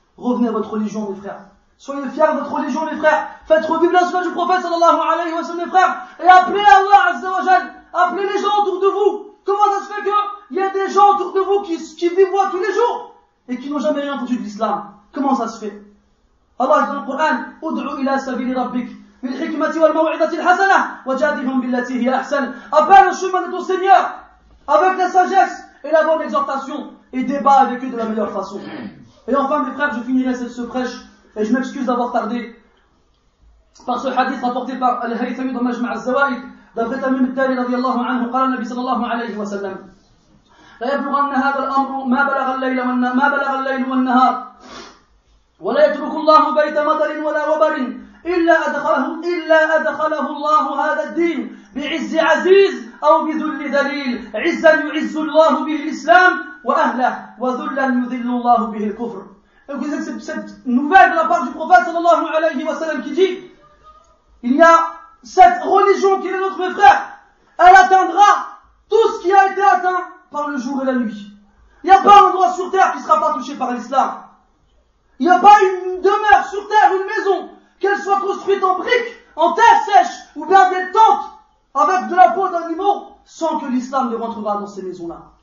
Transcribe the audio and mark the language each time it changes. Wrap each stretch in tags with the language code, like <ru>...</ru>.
<fr>Revenez à votre religion, mes frères. Soyez fiers de votre religion, mes frères. Faites revivre la sunna du prophète,</fr> <ar>sallallahu alayhi wa sallam,</ar> <fr>mes frères. Et appelez Allah,</fr> <ar>azza wa jal.</ar> <fr>Appelez les gens autour de vous. Comment ça se fait qu'il y a des gens autour de vous qui vivent moi tous les jours et qui n'ont jamais rien entendu de l'islam? Comment ça se fait? Allah, dans le Coran,</fr> <ar>ud'u ila sabili rabbik. بالحكمة والموعظة الحسنة وجادلهم بالتي هي أحسن.</ar> <fr>Appelle au chemin de ton Seigneur avec la sagesse et la bonne exhortation et débat avec eux de la meilleure façon. Et enfin, mes frères, je finirai ce prêche et je m'excuse d'avoir tardé par ce hadith rapporté par Al-Haythami dans Majma' al-Zawaid d'après Tamim al-Tali</fr> <ar>رضي الله عنه قال النبي صلى الله عليه وسلم لا يبلغن هذا الأمر ما بلغ الليل ما بلغ الليل والنهار ولا يترك الله بيت مطر ولا وبر إلا أدخله الله هذا الدين بعز عزيز أو بذل ذليل عزا يعز الله به الإسلام وأهله وذلا يذل الله به الكفر.</ar> <fr>Cette nouvelle de la part du prophète</fr> <ar>sallallahu alayhi wa sallam</ar> <fr>qui dit, il y a cette religion qui est notre frère, elle atteindra tout ce qui a été atteint par le jour et la nuit. Il n'y a pas un endroit sur terre qui ne sera pas touché par l'islam. Il n'y a pas une demeure sur terre, une maison, qu'elle soit construite en briques, en terre sèche, ou bien des tentes, avec de la peau d'animaux, sans que l'islam ne rentrera dans ces maisons-là.</fr>